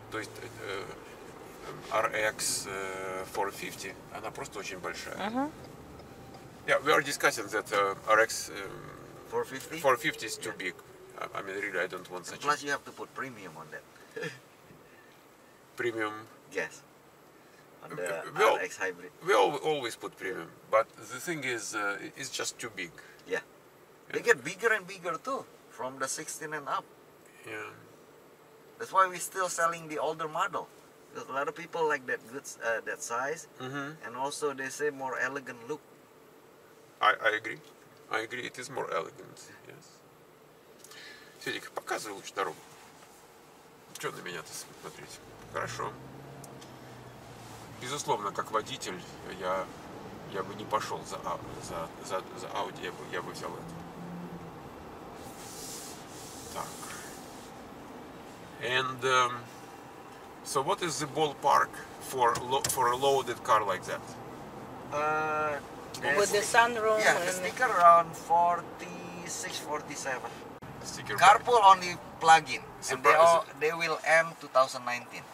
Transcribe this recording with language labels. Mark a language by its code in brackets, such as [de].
[ru] То есть RX 450, она просто очень большая. Uh-huh. [en] Yeah, we are discussing that RX 450 is too yeah. Big. I mean, really, I don't want such. Plus, you have to put premium on that. Premium? Yes. On the RX Hybrid. We always put premium. But the thing is, it's just too big. Yeah. They get bigger and bigger, too, from the 16 and up. Yeah. That's why we're still selling the older model. Because a lot of people like that good that size. Mm-hmm. And also, they say more elegant look. I agree. It is more elegant, yes. [ru] Федик, показывай лучше дорогу. Что на меня-то смотреть? Хорошо. Безусловно, как водитель, я бы не пошел за Audi, я бы взял это. Так. [en] And so what is the ballpark for a loaded car like that? With the sunroom. Yeah, the sticker around 46-47. Sticker carpool bike. Only plug-in. And they will end 2019.